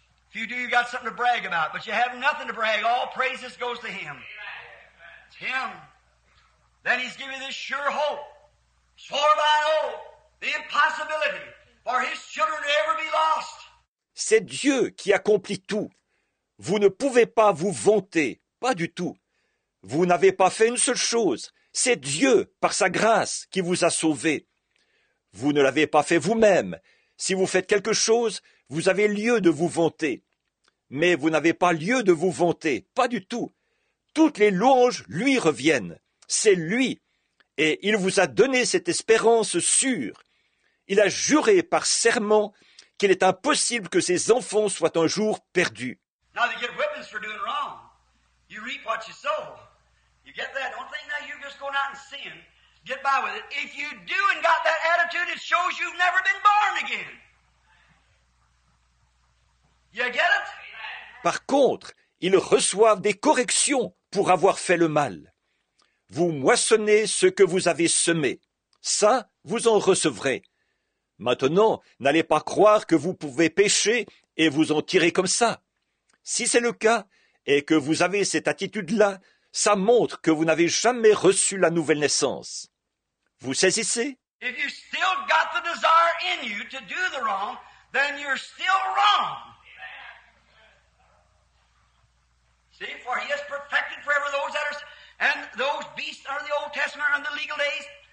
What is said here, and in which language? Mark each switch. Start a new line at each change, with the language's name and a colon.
English: If you do, you got something to brag about. But you have nothing to brag. All praises goes to him. Amen. It's him. Then he's given this sure hope. Swore by an oath. The impossibility for his children to ever be lost.
French: C'est Dieu qui accomplit tout. Vous ne pouvez pas vous vanter, pas du tout. Vous n'avez pas fait une seule chose. C'est Dieu, par sa grâce, qui vous a sauvé. Vous ne l'avez pas fait vous-même. Si vous faites quelque chose, vous avez lieu de vous vanter. Mais vous n'avez pas lieu de vous vanter, pas du tout. Toutes les louanges lui reviennent. C'est lui. Et il vous a donné cette espérance sûre. Il a juré par serment qu'il est impossible que ses enfants soient un jour perdus.
English: Now they get weapons for doing wrong. You reap what you sow. You get that? Don't think now you're just going out and sin. Get by with it. If you do and got that attitude, it shows you've never been born again. You get it?
French: Par contre, ils reçoivent des corrections pour avoir fait le mal. Vous moissonnez ce que vous avez semé. Ça, vous en recevrez. Maintenant, n'allez pas croire que vous pouvez pécher et vous en tirer comme ça. Si c'est le cas et que vous avez cette attitude-là, ça montre que vous n'avez jamais reçu la nouvelle naissance. Vous saisissez?
English: If you still got the desire in you to do the wrong, then you're still wrong. Amen. See, for he has perfected forever those that are, and those beasts under the Old Testament and the legal days.